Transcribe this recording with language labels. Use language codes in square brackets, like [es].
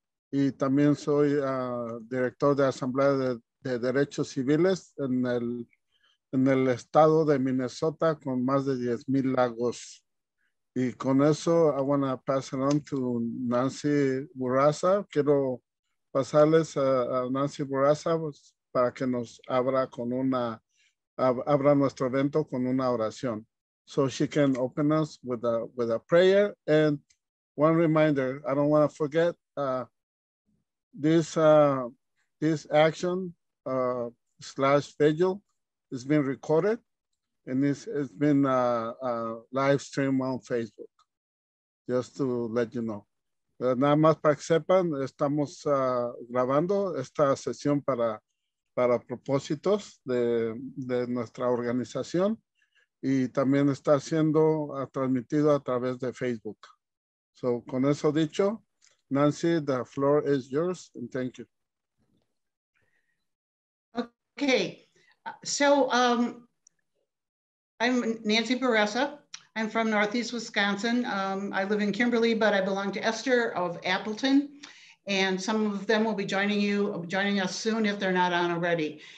[es] Y también soy director de Asamblea de Derechos Civiles en el estado de Minnesota, con más de 10,000 lagos. Y con eso, [en] I want to pass it on to Nancy Bourassa. [es] Quiero pasarles a Nancy Bourassa para que nos abra nuestro evento con una oración. [en] So she can open us with a prayer. And one reminder, I don't want to forget this action / vigil is being recorded, and it's been a live stream on Facebook, just to let you know. [es] Nada más para que sepan, estamos grabando esta sesión para propósitos de nuestra organización, y también está siendo transmitido a través de Facebook. [en] So, [es] con eso dicho, [en] Nancy, the floor is yours, and thank you. Okay, so I'm Nancy Bourassa. I'm from Northeast Wisconsin. I live in Kimberly, but I belong to Esther of Appleton, and some of them will be joining us soon if they're not on already.